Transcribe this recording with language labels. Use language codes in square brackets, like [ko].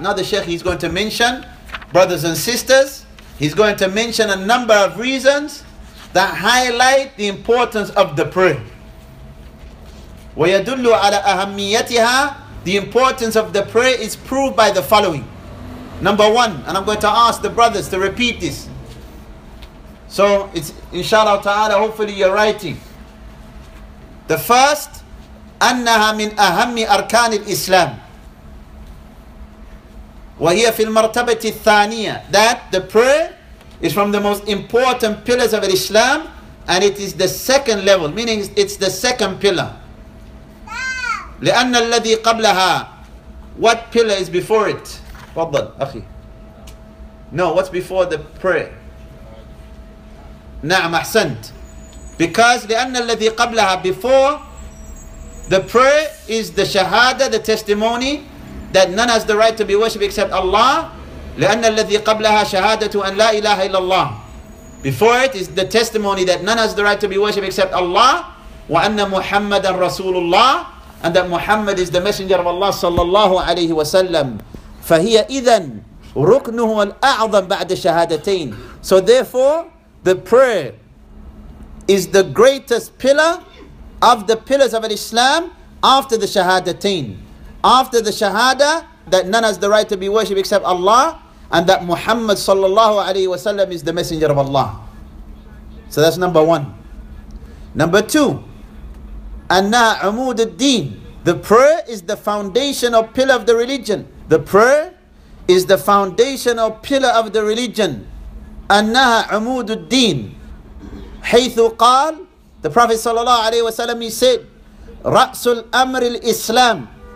[en] Now the Shaykh is going to mention, brothers and sisters, he's going to mention a number of reasons that highlight the importance of the prayer. [ar] وَيَدُلُّ عَلَىٰ أَهَمِّيَتِهَا. [en] The importance of the prayer is proved by the following. Number one, and I'm going to ask the brothers to repeat this. So it's inshallah ta'ala, hopefully you're writing. The first, [ar] أنها من أهم أركان الإسلام. وهي في المرتبة الثانية. [en] That the prayer is from the most important pillars of Islam, and it is the second level, meaning it's the second pillar. [ar] لأن الذي قبلها. [en] What pillar is before it? [ar] تفضل أخي. [en] No, what's before the prayer? [ar] نعم أحسنت. [en] Because [ar] لأن الذي قبلها, [en] before the prayer, is the shahada, the testimony that none has the right to be worshipped except Allah. [ar] لأن الذي قبلها شهادة أن لا إله إلا الله. [en] Before it is the testimony that none has the right to be worshipped except Allah, [ar] وأن محمدا رسول الله, [en] and that Muhammad is the messenger of Allah sallallahu alayhi wa sallam. [ar] فهي إذن ركنه الأعظم بعد الشهادتين. [en] So therefore, the prayer is the greatest pillar of the pillars of Islam after the shahadatain. After the shahada, that none has the right to be worshipped except Allah, and that Muhammad sallallahu alayhi wa sallam is the messenger of Allah. So that's number one. Number two, [ar] أنها عمود الدين. [en] The prayer is the foundation or pillar of the religion. The prayer is the foundation or pillar of the religion. [ar] أنها عمود الدين. حيث قال, [en] the Prophet sallallahu alayhi wa sallam, he said, [ar] رأس الأمر الإسلام.